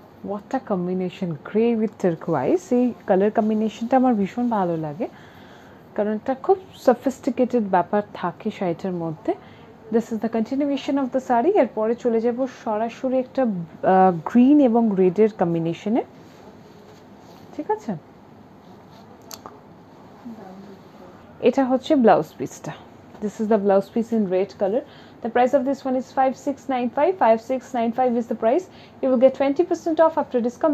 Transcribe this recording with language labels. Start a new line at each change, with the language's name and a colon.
English: What a combination, grey with turquoise.
Bangla: এই colour কম্বিনেশনটা আমার ভীষণ ভালো লাগে, কারণ এটা খুব সফিস্টিকেটেড ব্যাপার থাকে শাড়িটার মধ্যে।
English: This is the continuation of the sari.
Bangla: এরপরে চলে যাবো সরাসরি একটা গ্রিন এবং রেডের কম্বিনেশনে, ঠিক আছে? এটা হচ্ছে ব্লাউজ পিসটা।
English: This is the blouse piece in red color. The price of this one is 5695. 5695 is the price. You will get 20% off after discount.